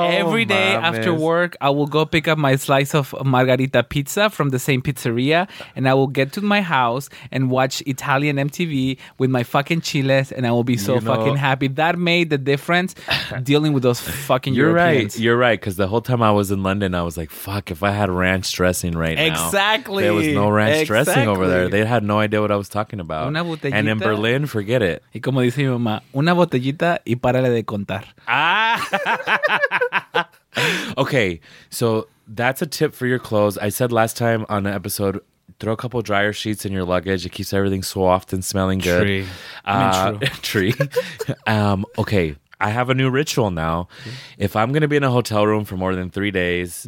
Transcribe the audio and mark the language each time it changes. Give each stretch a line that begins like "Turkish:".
English: every day after work, I will go pick up my slice of margarita pizza from the same pizzeria, and I will get to my house and watch Italian MTV with my fucking chiles, and I will be so fucking happy. That made the difference dealing with those fucking Europeans. Right. You're right, because the whole time I was in London, I was like, fuck, if I had ranch dressing right now. Exactly. There was no ranch dressing over there. They had no idea what I was talking about.
Spanish: Una botellita,
English: and in Berlin, forget it.
Spanish: Y como dice mi mamá, una botellita y párale de contar.
English: Okay, so that's a tip for your clothes. I said last time on an episode, throw a couple dryer sheets in your luggage. It keeps everything soft and smelling good. Tree. Tree. Okay. I have a new ritual now. If I'm going to be in a hotel room for more than 3 days,